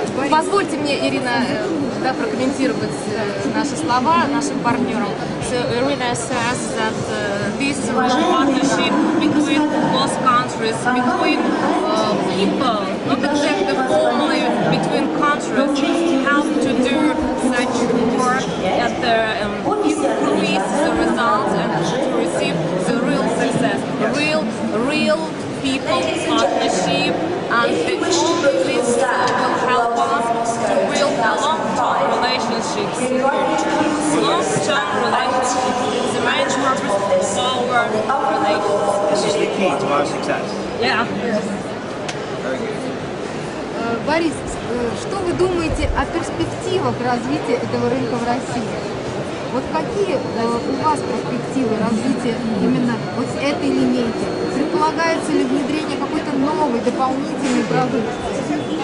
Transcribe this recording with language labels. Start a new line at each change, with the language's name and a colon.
Russian: Позвольте мне, Ирина, да, прокомментировать наши слова нашим партнерам.
English: So, Irina says that this partnership between both countries, between people, not exactly formally, between countries, help to do such work and increase the results and to receive the real success, real people partnership. And the whole list will help us to build a long-term relationship. The main purpose of our relationship. This is the key to our success. Yeah.
Russian: Борис, что вы думаете о перспективах развития этого рынка в России? Вот какие у вас перспективы развития именно вот этой линейки? Предполагается ли внедрение какой-то новой, дополнительной продукции?